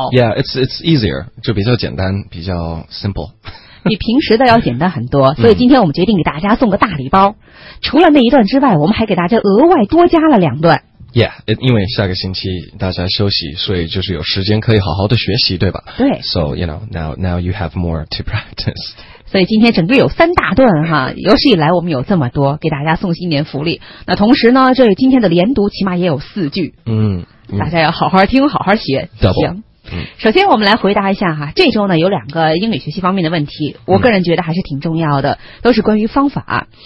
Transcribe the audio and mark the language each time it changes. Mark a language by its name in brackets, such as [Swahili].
[English] Yeah, it's easier, [Chinese] 就比较简单，比较 simple。比平时的要简单很多，所以今天我们决定给大家送个大礼包。除了那一段之外，我们还给大家额外多加了两段。 Yeah, 因为下个星期大家休息，所以就是有时间可以好好的学习，对吧？对。 [English] So, you know, now you have more to practice. [Chinese] 所以今天整个有三大段哈，有史以来我们有这么多给大家送新年福利。那同时呢，这今天的连读起码也有四句。嗯。大家要好好听，好好学。 [English] Double. [Chinese] 行。首先我们来回答一下哈，这周呢有两个英语学习方面的问题，我个人觉得还是挺重要的，都是关于方法。